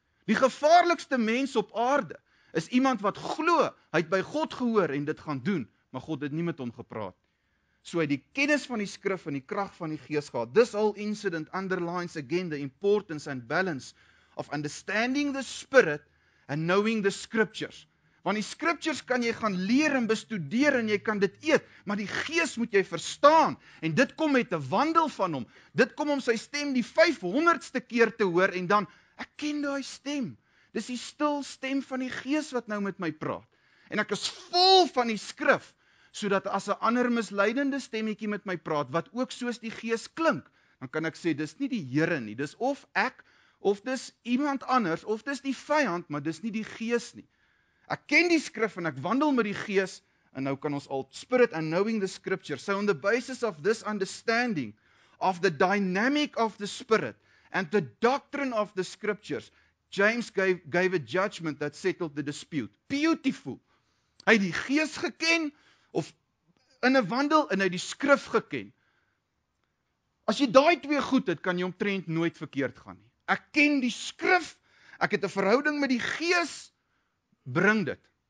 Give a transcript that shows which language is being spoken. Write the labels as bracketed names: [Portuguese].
[Afrikaans] Die gevaarlikste mens op aarde is iemand wat glo, hy het by God gehoor en dit gaan doen, maar God het nie met hom gepraat. So hy die kennis van die skrif en die kracht van die gees gehad. [English] This whole incident underlines again the importance and balance of understanding the spirit and knowing the scriptures. [Afrikaans] Want die scriptures kan jy gaan leer en bestudeer en jy kan dit eet, maar die gees moet jy verstaan en dit kom met 'n wandel van hom. Dit kom om sy stem die 500ste keer te hoor en dan, ek ken daai stem. Dis die stil stem van die gees wat nou met my praat. En ek is vol van die skrif, sodat as 'n ander misleidende stemmetjie met my praat, wat ook soos die gees klink, dan kan ek sê, dis nie die Here nie, dis of ek, of dis iemand anders, of dis die vyand, maar dis nie die gees nie. Ek ken die skrif en ek wandel met die gees, en nou kan ons al [English] spirit and knowing the scripture. So on the basis of this understanding of the dynamic of the spirit and the doctrine of the scriptures, James gave a judgment that settled the dispute. Beautiful. [Afrikaans] Hy het die gees geken, of in 'n wandel, en hy het die skrif geken. As jy daai twee goed het, kan jy omtrent nooit verkeerd gaan nie. Ek ken die skrif, ek het 'n verhouding met die gees, bring dit.